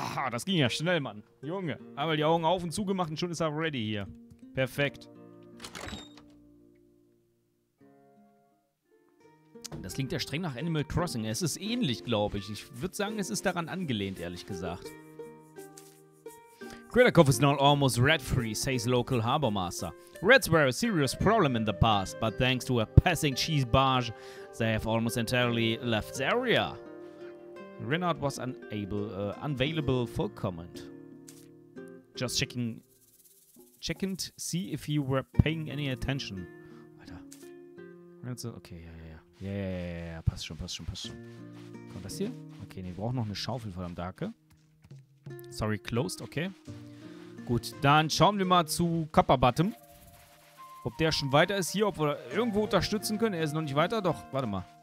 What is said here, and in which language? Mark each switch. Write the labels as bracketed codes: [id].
[de] Das ging ja schnell, Mann. Junge. Einmal die Augen auf und zugemacht und schon ist er ready hier. Perfekt. Das klingt ja streng nach Animal Crossing. Es ist ähnlich, glaube ich. Ich würde sagen, es ist daran angelehnt, ehrlich gesagt. [en] Krennikov is now almost rat-free, says local harbor master. Rats were a serious problem in the past, but thanks to a passing cheese barge, they have almost entirely left the area. Renard was unavailable for comment. Just checking to see if he were paying any attention. [de] Alter. Okay, ja. Ja, passt schon. Kommt das hier? Okay, nee, wir brauchen noch eine Schaufel, verdammt, Dacke. Sorry, closed, okay. Gut, dann schauen wir mal zu Kappa Bottom. Ob der schon weiter ist hier, ob wir irgendwo unterstützen können. Er ist noch nicht weiter, doch, warte mal.